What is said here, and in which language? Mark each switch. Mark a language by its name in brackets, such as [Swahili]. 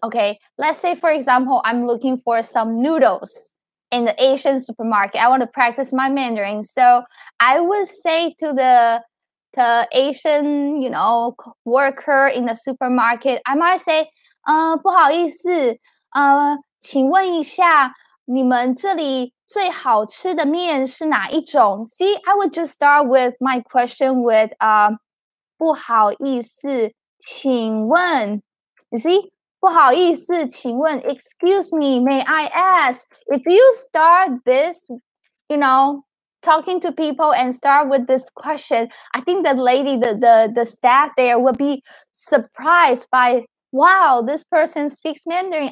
[English] Okay, let's say, for example, I'm looking for some noodles in the Asian supermarket. I want to practice my Mandarin. So I would say to the Asian, you know, worker in the supermarket, I might say, [Chinese] 不好意思, 请问一下，你们这里最好吃的面是哪一种？ [English] See, I would just start with my question with, [Chinese] 不好意思，请问， [English] you see? [Chinese] 不好意思，请问 [English] ，excuse me, may I ask? If you start this, you know, talking to people and start with this question, I think the lady, the staff there will be surprised by, wow, this person speaks Mandarin.